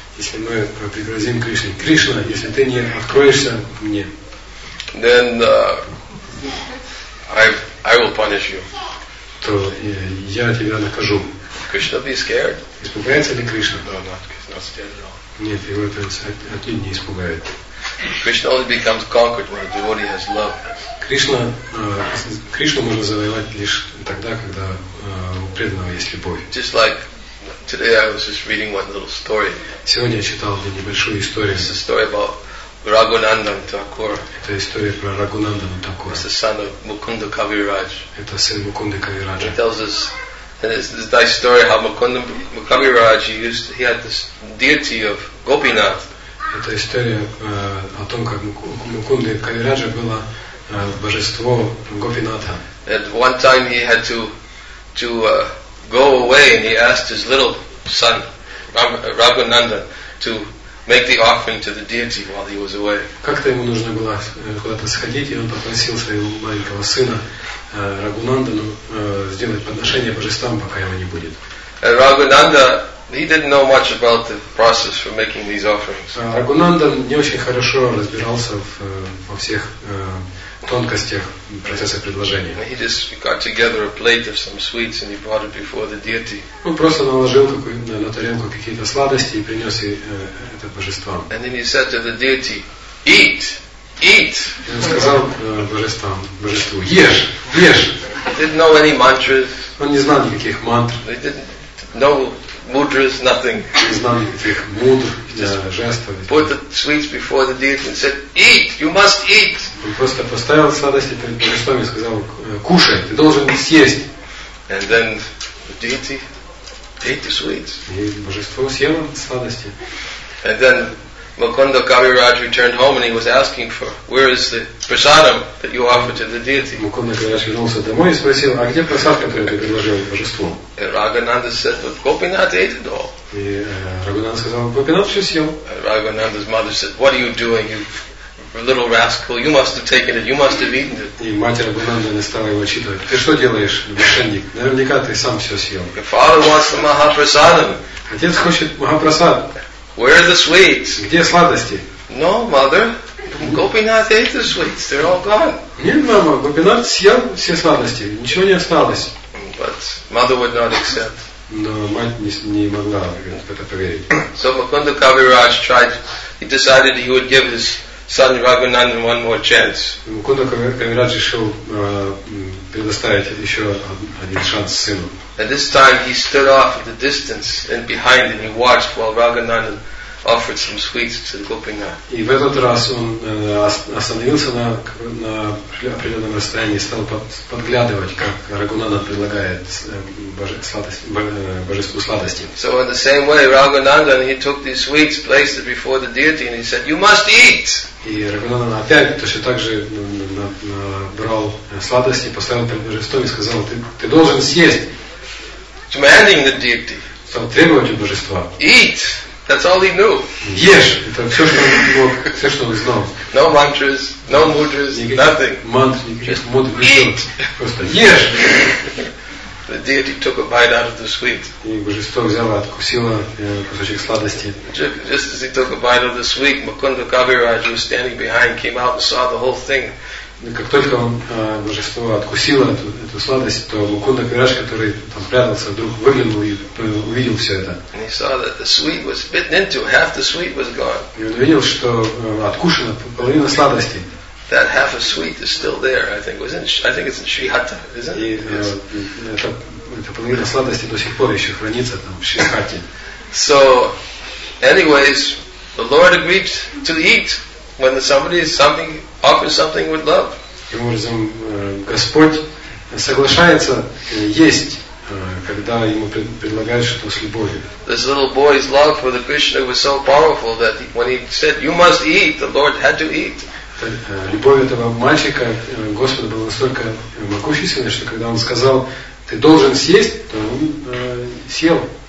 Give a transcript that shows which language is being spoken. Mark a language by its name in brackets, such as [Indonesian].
[Russian] Если мы пригрозим Кришне, Кришна, если ты не откроешься мне, [English] then I will punish you. [Russian] то я тебя накажу. [English] Krishna be scared? [Russian] Испугается ли Кришна? [English] No, not scared at all. [Russian] Нет, его это отнюдь не испугает. [English] Krishna only becomes conquered when a devotee has love. [Russian] Кришну можно завоевать лишь тогда, когда у преданного есть любовь. [English] Just like today, I was just reading one little story. [Russian] Сегодня я читал одну небольшую историю. [English] It's a story about Raghunandan Thakur. [Russian] Это история про Рагунандана Такура. [English] It's the son of Mukunda Kaviraj. [Russian] Это сын Мукунды Кавираджа. [English] He tells us, and it's a nice story how Mukunda Kaviraj he had this deity of Gopinath. [Russian] Это история о том, как Мукунды Кавираджа было божество Гопинатха. [English] At one time he had to go away, and he asked his little son Raghunanda to make the offering to the deity while he was away. [Russian] Как-то ему нужно было куда-то сходить, и он попросил своего маленького сына Рагунандану сделать подношение божествам, пока его не будет. [English] And Raghunanda, he didn't know much about the process for making these offerings. [Russian] Рагунанда не очень хорошо разбирался во всех тонкостях процесса предложения. [English] He just got together a plate of some sweets and he brought it before the deity. [Russian] Он просто наложил на тарелку какие-то сладости и принес это божествам. [English] And then he said to the deity, "Eat, eat." [Russian] И он сказал божеству, ешь, ешь. [English] He didn't know any mantras. [Russian] Он не знал никаких мантр. [English] He didn't know mudras, nothing. [Russian] Не знал никаких мудр. [English] Put the sweets before the deity and said, "Eat, you must eat." [Russian] Он просто поставил сладости перед божеством и сказал, "Кушай, ты должен съесть." [English] And then the deity ate the sweets. [Russian] И божество съело сладости. [English] And then Mukunda Kaviraj returned home and he was asking for, "Where is the prasadam that you offered to the deity?" [Russian] Mukunda Kaviraj вернулся домой и спросил, "А где прасад, который ты предложил божеству?" [English] And Raghunanda said, "But Gopinath ate it all." [Russian] И Рагунанда сказал, Гопинат все съел. [English] Рагунанда's mother said, "What are you doing, you little rascal? You must have taken it. You must have eaten it." [Russian] И мать Рагунанды не стала его отчитывать. Ты что делаешь, мошенник? Наверняка ты сам все съел. [English] Your father wants the Mahaprasadam. [Russian] Отец хочет Махапрасад. [English] Where are the sweets? [Russian] Где сладости? [English] No, mother. Gopinath ate the sweets. They're all gone. [Russian] Нет, мама, Гопинат съел все сладости. Ничего не осталось. [English] But mother would not accept. [Russian] Но мать не могла это поверить. [English] So Mukunda Kaviraj tried. He decided he would give his son Raghunanda one more chance. [Russian] Mukunda Kaviraj решил предоставить еще один шанс сыну. [English] And this time he stood off at the distance and behind, and he watched while Raghunanda offered some sweets to Gopinath. [Russian] И в этот раз он остановился на определенном расстоянии и стал подглядывать, как Рагунанда предлагает божеству сладости. [English] So in the same way, Рагунанда, he took these sweets, placed it before the deity, and he said, "You must eat." [Russian] И Рагунанда опять точно так же брал сладости, поставил перед божеством и сказал, "Ты должен съесть." [English] Demanding the deity. [Russian] Стал требовать у божества. [English] Eat. That's all he knew. [Russian] Ешь, это все, что он мог, все, что он знал. [English] No mantras, no mudras, nothing. [Russian] Мантр, никаких мудр, [English] eat. [Russian] Просто ешь. [English] The deity took a bite out of the sweet. [Russian] И божество взяло, откусило кусочек сладости. [English] Just as he took a bite of the sweet, Mukunda Kaviraj, who was standing behind, came out and saw the whole thing. [Russian] Как только он божество откусило эту сладость, то Мукунда Кавираж, который там прятался, вдруг выглянул и увидел все это. [English] And he saw that the sweet was bitten into, half the sweet was gone. [Russian] И он увидел, что откушено половина сладости. [English] That half a sweet is still there, I think. I think it's in Sri Hatta, isn't it? [Russian] Эта половина сладости до сих пор еще хранится там в Шри Хатте. [English] So, anyways, the Lord agreed to eat. When somebody is something offers something with love. [Russian] Таким образом, Господь соглашается есть, когда ему предлагают что-то с любовью. [English] This little boy's love for the Krishna was so powerful that when he said, "You must eat," the Lord had to eat. [Russian] Любовь этого мальчика Господу была настолько могущественной, что когда он сказал, "Ты должен съесть," то он съел.